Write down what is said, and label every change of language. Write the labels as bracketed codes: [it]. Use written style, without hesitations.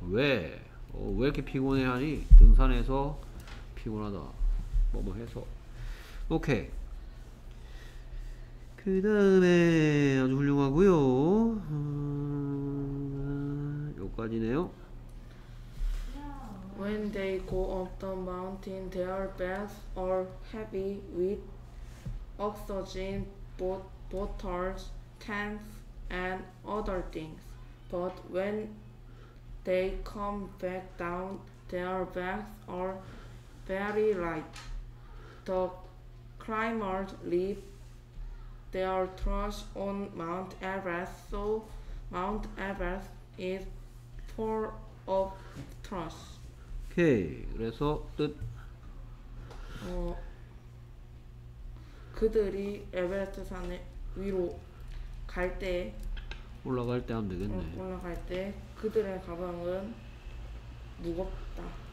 [ko] 왜? 어, 왜 이렇게 피곤해하니? 등산해서 피곤하다. 뭐뭐 해서. 오케이. 그 다음에 아주 훌륭하고요. 여기까지네요. [en] When they go up the mountain, their bags are heavy with oxygen bottles, tents, and other things. But when they come back down, their bags are very light. The climbers leave their trash on Mount Everest, so Mount Everest is full of trash. [ko] 오케이. 그래서 뜻. 어, 그들이 에베레스트 산에 위로 갈 때 올라갈 때 하면 되겠네. 어, 올라갈 때 그들의 가방은 무겁다.